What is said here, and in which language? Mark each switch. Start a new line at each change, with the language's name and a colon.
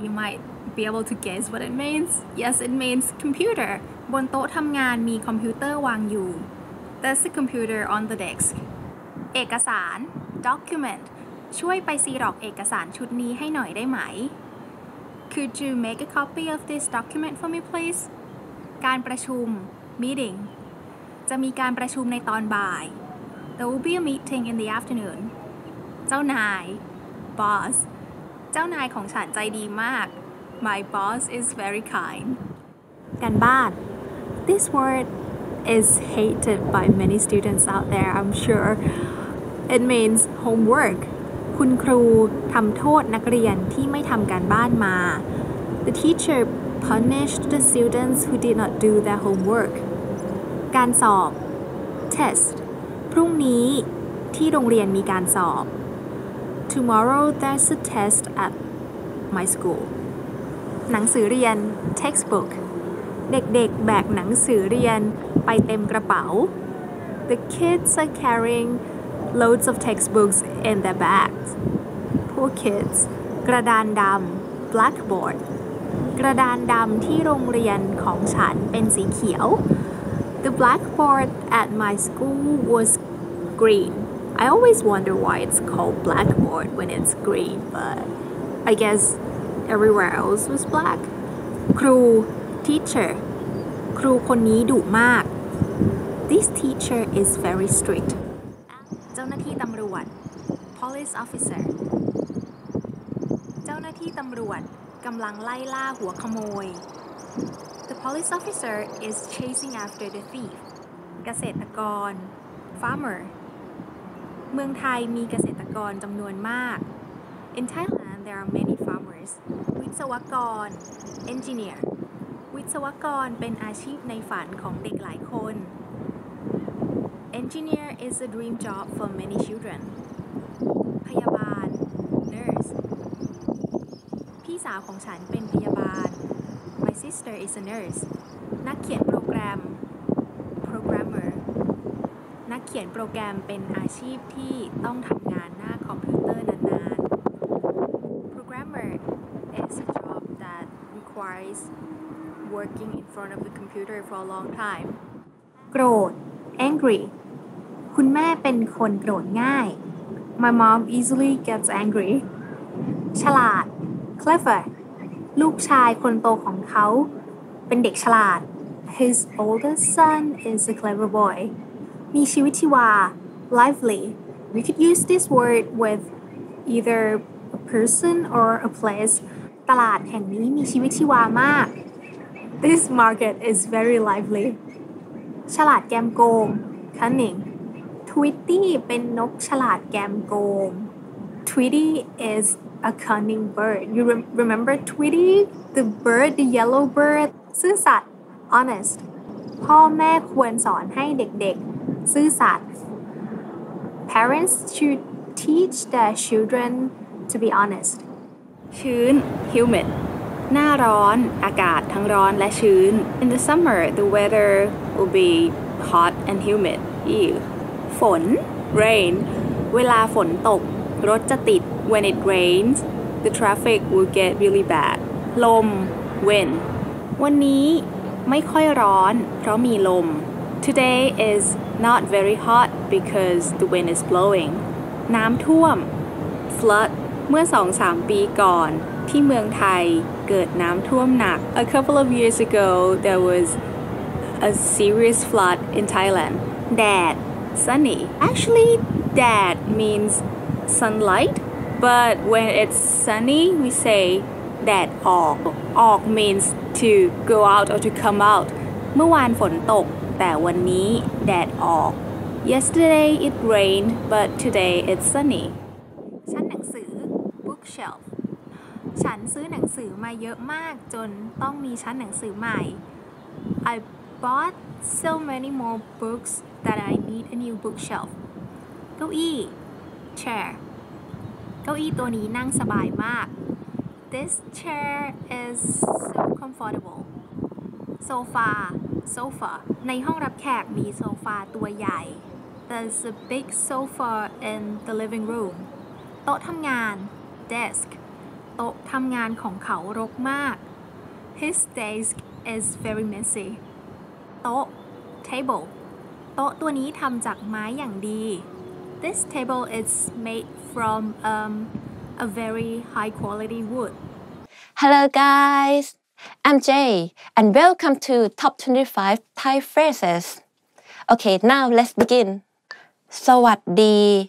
English: You might be able to guess what it means. Yes, it means computer.
Thai: บนโต๊ะทำงานมีคอมพิวเตอร์วางอยู่
English: There's a computer on the desk.
Thai: เอกสาร
English: document.
Thai: ช่วยไปซีร็อกเอกสารชุดนี้ให้หน่อยได้ไหม
English: Could you make a copy of this document for me, please?
Thai: การประชุม
English: meeting
Thai: จะมีการประชุมในตอนบ่าย
English: There will be a meeting in the afternoon.
Thai: จ้านาย
English: boss
Thai: เจ้านายของฉันใจดีมาก
English: my boss is very kind
Thai: การบ้าน
English: this word is hated by many students out there I'm sure it means homework
Thai: คุณครูทำโทษนักเรียนที่ไม่ทำการบ้านมา
English: the teacher punished the students who did not do their homework
Thai: การสอบ
English: test
Thai: พรุ่งนี้ที่โรงเรียนมีการสอบ
English: tomorrow there's a test at my school
Thai: หนังสือเรียน
English: textbook
Thai: เด็กๆแบกหนังสือเรียนไปเต็มกระเป๋า
English: the kids are carryingloads of textbooks in their bags. Poor kids.
Thai: กระดานดำ
English: blackboard.
Thai: กระดานดำที่โรงเรียนของฉันเป็นสีเขียว
English: The blackboard at my school was green. I always wonder why it's called blackboard when it's green, but I guess everywhere else was black.
Thai: ครู
English: teacher.
Thai: ครูคนนี้ดุมาก
English: This teacher is very strict.
Thai: เจ้าหน้าที่ตำรวจ
English: police officer
Thai: เจ้าหน้าที่ตำรวจกำลังไล่ล่าหัวขโมย
English: the police officer is chasing after the thief
Thai: เกษตรกร
English: farmer
Thai: เมืองไทยมีเกษตรกรจำนวนมาก
English: in Thailand there are many farmers
Thai: วิศวกร
English: engineer
Thai: วิศวกรเป็นอาชีพในฝันของเด็กหลายคน
English: Engineer is a dream job for many children.
Thai: พยาบาล
English: Nurse.
Thai: พี่สาวของฉันเป็นพยาบาล
English: My sister is a nurse.
Thai: นักเขียนโปรแกรม
English: Programmer.
Thai: นักเขียนโปรแกรมเป็นอาชีพที่ต้องทำงานหน้าคอมพิวเตอร์นาน
English: ๆ Programmer is a job that requires working in front of the computer for a long time.
Thai: โกรธ
English: angry
Thai: คุณแม่เป็นคนโกรธง่าย
English: my mom easily gets angry
Thai: ฉลาด
English: clever
Thai: ลูกชายคนโตของเขาเป็นเด็กฉลาด
English: his older son is a clever boy
Thai: มีชีวิตชีวา
English: lively we could use this word with either a person or a place
Thai: ตลาดแห่งนี้มีชีวิตชีวามาก
English: this market is very lively
Thai: ฉลาดแกมโกง
English: cunning
Thai: Tweety เป็นนกฉลาดแกมโกง
English: Tweety is a cunning bird you remember Tweety the bird the yellow bird
Thai: ซื่อสัตย์
English: honest
Thai: พ่อแม่ควรสอนให้เด็กๆซื่อสัตย์
English: parents should teach their children to be honest
Thai: ชื้น
English: humid
Thai: หน้าร้อนอากาศทั้งร้อนและชื้น
English: in the summer the weatherwill be hot and humid. Ew.
Thai: ฝน
English: rain.
Thai: เวลาฝนตกรถจะติด
English: when it rains, the traffic will get really bad.
Thai: ลม
English: wind.
Thai: วันนี้ไม่ค่อยร้อนเพราะมีลม
English: today is not very hot because the wind is blowing.
Thai: น้ำท่วม
English: flood.
Thai: เมื่อ 2-3 ปีก่อนที่เมืองไทยเกิดน้ำท่วมหนัก
English: a couple of years ago there wasA serious flood in Thailand. Dad. Sunny. Actually, dad means sunlight. But when it's sunny, we say dad
Thai: ออก. ออก
English: means to go out or to come out.
Thai: เมื่อวานฝนตกแต่วันนี้แดดออก.
English: Yesterday it rained, but today it's sunny.
Thai: ชั้นหนังสือ
English: bookshelf.
Thai: ฉันซื้อหนังสือมาเยอะมากจนต้องมีชั้นหนังสือใหม่
English: I bought so many more books that I need a new bookshelf.
Thai: เก้าอี้
English: chair.
Thai: เก้าอี้ตัวนี้นั่งสบายมาก.
English: This chair is so comfortable. Sofa. Sofa.
Thai: ในห้องรับแขกมีโซฟาตัวใหญ่.
English: There's a big sofa in the living room.
Thai: โต๊ะทำงาน.
English: Desk.
Thai: โต๊ะทำงานของเขารกมาก.
English: His desk is very messy.
Thai: โต๊ะ
English: table
Thai: โต๊ะตัวนี้ทำจากไม้อย่างดี
English: This table is made from a very high quality wood Hello guys I'm Jay and welcome to top 25 Thai phrases Okay now let's begin
Thai: สวัสดี